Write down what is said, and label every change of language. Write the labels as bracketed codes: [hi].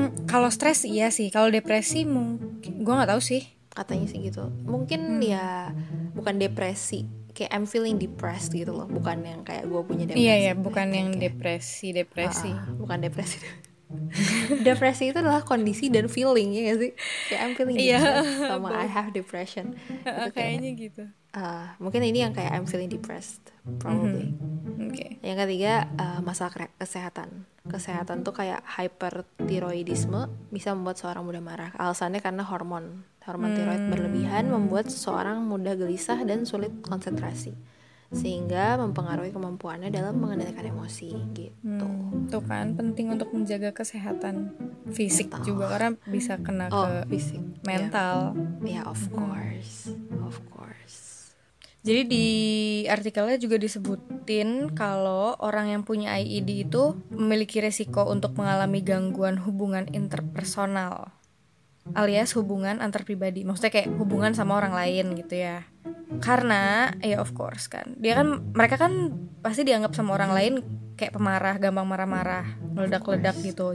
[id] Kalau stres iya sih, kalau depresi mungkin gue gak tahu sih. Katanya sih gitu, mungkin ya bukan depresi, kayak [en] I'm feeling depressed [id] gitu loh. Bukan yang kayak gue punya depresi. Iya, iya, bukan yang kayak depresi-depresi. Bukan depresi. Depresi itu adalah kondisi dan feeling, ya gak sih? Kayak [en] I'm feeling depressed [id] sama [en] I have depression. [id] Kayaknya gitu. Mungkin ini yang kayak [en] I'm feeling depressed, probably. [id] Okay. Yang ketiga, masalah kesehatan. Kesehatan tuh kayak hypertiroidisme bisa membuat seorang mudah marah. Alasannya karena hormon. Hormon tiroid berlebihan membuat seseorang mudah gelisah dan sulit konsentrasi, sehingga mempengaruhi kemampuannya dalam mengendalikan emosi gitu. Tuh kan penting untuk menjaga kesehatan fisik mental juga, karena bisa kena ke fisik, mental. [en] Ya yeah. Yeah, of course, of course. [id] Jadi di artikelnya juga disebutin kalau orang yang punya IED itu memiliki resiko untuk mengalami gangguan hubungan interpersonal, alias hubungan antar pribadi. Maksudnya kayak hubungan sama orang lain gitu ya. Karena ya [en] of course [id] kan, dia kan, mereka kan pasti dianggap sama orang lain kayak pemarah, gampang marah-marah, meledak-ledak gitu.